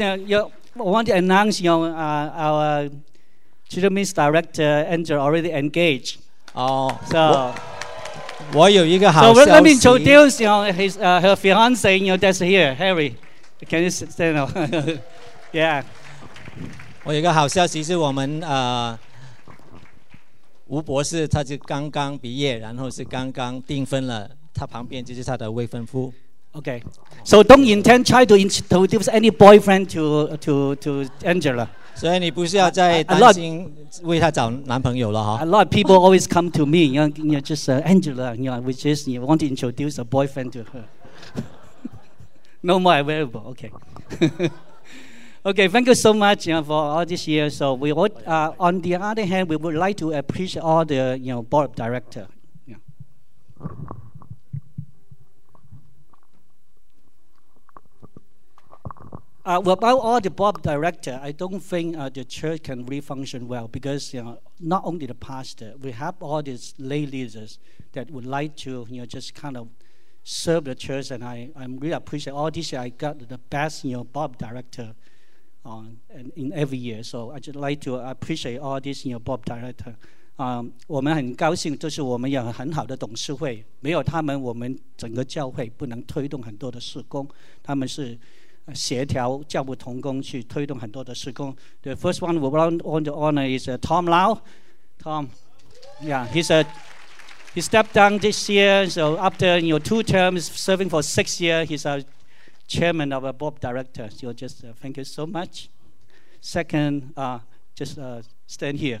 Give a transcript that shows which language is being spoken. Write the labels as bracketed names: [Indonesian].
[English] I want to announce our Children's Director Angel already engaged. So let me introduce her fiance, that's here, Harry. Can you stand up? yeah. [Chinese] 我有一个好消息是我们吴博士他就刚刚毕业，然后是刚刚订婚了，他旁边就是他的未婚夫。 [English] Okay, so don't intend try to introduce any boyfriend to Angela. [Chinese] 所以你不需要再担心为他找男朋友了哈。 [English] A lot of people always come to me, you know, just Angela, you know, which is you want to introduce a boyfriend to her. No more available. Okay. Okay, thank you so much, you know, for all this year. So we would, on the other hand, we would like to appreciate all the, you know, board of director. Yeah. About all the board director, I don't think the church can re-function well because, you know, not only the pastor, we have all these lay leaders that would like to, you know, just kind of serve the church, and I really appreciate all this year. I got the best, you know, board director in every year, so I just like to appreciate all this, you know, board director. [Chinese] 我们很高兴，就是我们有很好的董事会，没有他们，我们整个教会不能推动很多的事工，他们是协调教务同工去推动很多的事工。 [English] The first one we want to honor is Tom Lau. Tom, yeah, he stepped down this year. So after you know, two terms serving for 6 years, he's a chairman of a board of director. So just thank you so much. Second, stand here.